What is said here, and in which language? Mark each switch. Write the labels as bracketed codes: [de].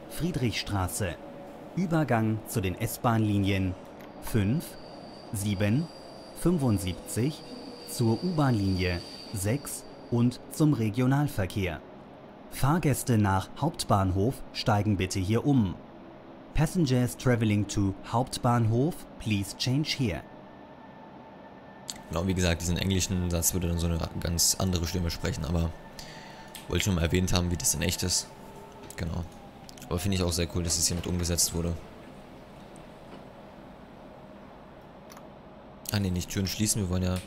[de] Friedrichstraße. Übergang zu den S-Bahn-Linien 5, 7, 75, zur U-Bahn-Linie 6 und zum Regionalverkehr. Fahrgäste nach Hauptbahnhof steigen bitte hier um. [en] Passengers traveling to Hauptbahnhof, please change here. [de] Genau, wie gesagt, diesen englischen Satz würde dann so eine ganz andere Stimme sprechen, aber wollte ich nur mal erwähnt haben, wie das in echt ist. Genau. Aber finde ich auch sehr cool, dass es hiermit umgesetzt wurde. Ah ne, nicht Türen schließen, wir wollen ja